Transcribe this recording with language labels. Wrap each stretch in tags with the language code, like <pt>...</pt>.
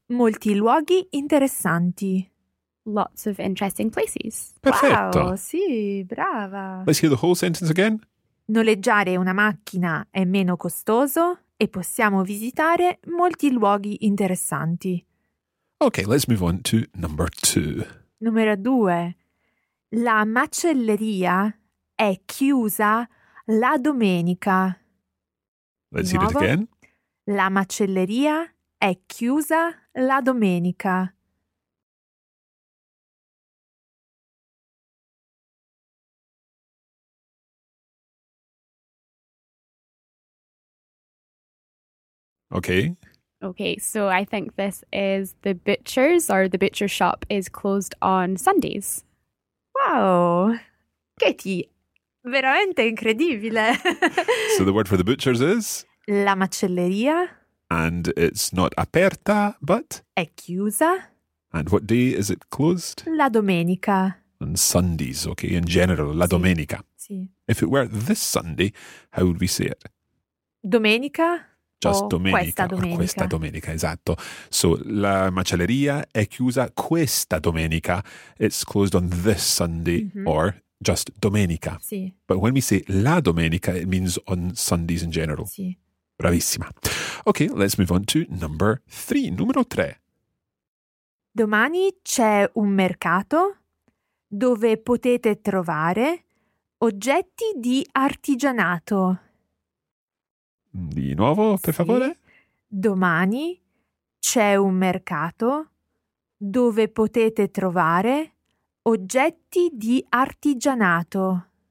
<it>Molti luoghi interessanti.</it> <en>Lots of interesting places.</en> <it>Perfetto. Wow, sì, brava.</it> <en>Let's hear the whole sentence again.</en> <it>Noleggiare una macchina è meno costoso e possiamo visitare molti luoghi interessanti.</it> <en>Ok, let's move on to number two.</en> <it>Numero due. La macelleria è chiusa la domenica.</it> <en>Let's hear it again. La macelleria è chiusa la domenica. Okay. Okay, so I think this is the butcher's or the butcher shop is closed on Sundays. Wow.</en> <it>Katie, veramente incredibile.</it> <en>So the word for the butcher's is?</en> <it>La macelleria.</it> <en>And it's not aperta, but?</en> <it>È chiusa.</it> <en>And what day is it closed?</en> <it>La domenica.</it> <en>On Sundays, okay, in general,</en> <it>la domenica. Sì.</it> <en>If it were this Sunday, how would we say it?</en> <it>Domenica.</it> <en>Just</en> <it>o domenica, questa domenica. Or questa domenica, esatto. So, la macelleria è chiusa questa domenica.</it> <en>It's closed on this Sunday, mm-hmm. or just domenica.</en> <it>Sì.</it> <en>But when we say</en> <it>la domenica,</it> <en>it means on Sundays in general.</en> <it>Sì. Bravissima.</it> <en>Okay, let's move on to number three.</en> <it>Numero tre. Domani c'è un mercato dove potete trovare oggetti di artigianato. Di nuovo, per sì. favore. Domani c'è un mercato dove potete trovare oggetti di artigianato.</it>